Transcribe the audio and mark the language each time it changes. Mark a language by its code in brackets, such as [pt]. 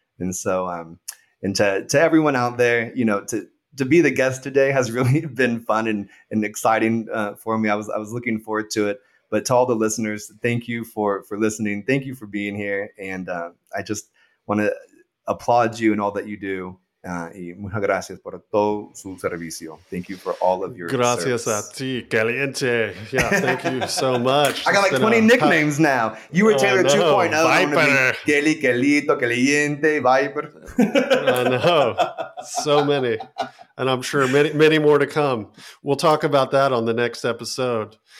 [en] And so, and to everyone out there, you know, to be the guest today has really been fun and exciting for me. I was looking forward to it. But to all the listeners, thank you for listening. Thank you for being here. And I just want to applaud you and all that you do. [es] Y muchas gracias por todo su servicio. [en] Thank you for all of your [es] gracias [en] service. [es] A ti, caliente. [en] Yeah, thank you so much. I got like 20 nicknames now. You were Taylor 2.0. Viper. Kelly, Kelito, Caliente, Viper. I know. So many. And I'm sure many, many more to come. We'll talk about that on the next episode.